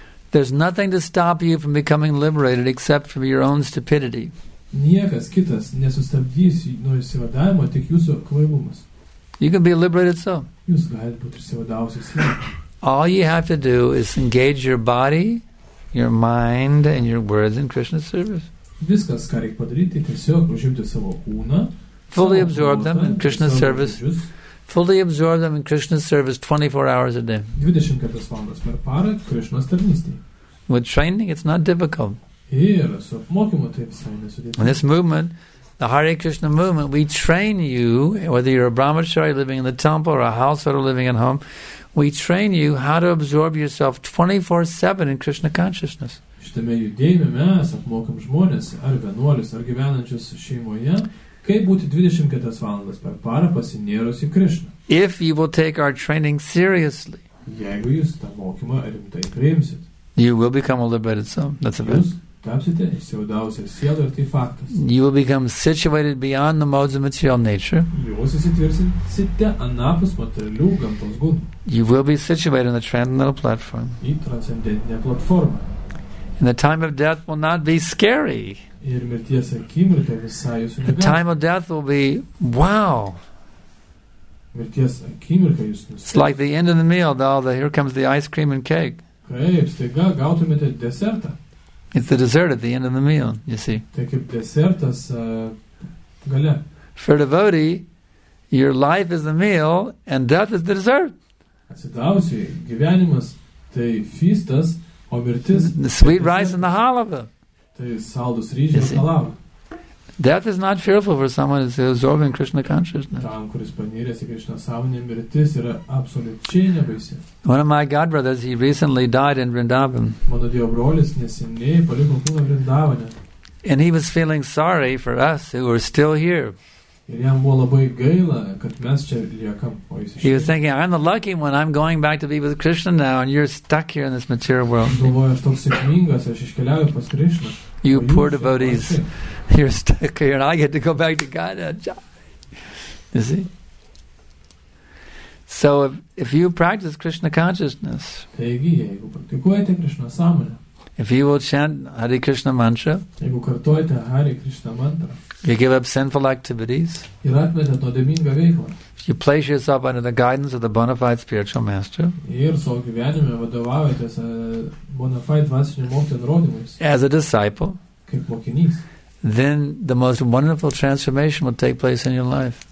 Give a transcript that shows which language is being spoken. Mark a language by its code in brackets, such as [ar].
[en] There's nothing to stop you from becoming liberated except from your own stupidity. [lt] Niekas kitas nesustabdys nuo išsivadavimo, tik jūsų kvailumas. [en] You can be liberated so. [lt] Jūs galite būti išsivadavusios. [en] All you have to do is engage your body, your mind, and your words in Krishna's service. [lt] Viskas, ką reikia padaryti, tiesiog užimti savo kūną. [en] Fully absorb them in Krishna's service. Fully absorb them in Krishna's service 24 hours a day. With training, it's not difficult. In this movement, the Hare Krishna movement, we train you, whether you're a brahmachari living in the temple or a householder living at home, we train you how to absorb yourself 24/7 in Krishna consciousness. [lt] Šitame judėjime mes apmokam žmonės, ar vienuolis, ar gyvenančius šeimoje, kaip būti 24 valandas per parą pasinėrus į Krishna. [en] If you will take our training seriously, [lt] jeigu jūs tą mokymą rimtai priimsit, [en] you will become a liberated soul. That's a fact. [lt] Jūs tapsite išsivadavusią sielą, ir tai faktas. [en] You will become situated beyond the modes of material nature. [lt] Jūs įsitvirsite anapus materialių gamtos gundų. [en] You will be situated on the transcendental platform. [lt] Į transcendentinę platformą. [en] And the time of death will not be scary. The time of death will be, wow. It's like the end of the meal, though, here comes the ice cream and cake. It's the dessert at the end of the meal, you see. For a devotee, Your life is the meal and death is the dessert. [lt] Atsidavusiai, gyvenimas tai feastas, o mirtis [en] the sweet rice and the halava. [lt] Tai saldus ryžiai ir halava. [en] Death is not fearful for someone who is absorbing Krishna consciousness. [lt] Tam, kuris panyrės į Krishna sąmonę, mirtis yra absoliučiai nebaisi. [en] One of my god brothers, he recently died in Vrindavan. [lt] Mano dievo brolis neseniai paliko kūną Vrindavane. [en] And he was feeling sorry for us who were still here. [lt] Ir jam buvo labai gaila, kad mes čia liekam. [en] He was thinking, I'm the lucky one, I'm going back to be with Krishna now, and you're stuck here in this material world. [lt] Galvoju, aš toks sėkmingas, aš iškeliauju pas Krishna. [en] You poor devotees, you're stuck here, and I get to go back to God. You see? So if you practice Krishna consciousness, if you will chant Hare Krishna mantra, you give up sinful activities, you place yourself under the guidance of the bona fide spiritual master, as a disciple, then the most wonderful transformation will take place in your life.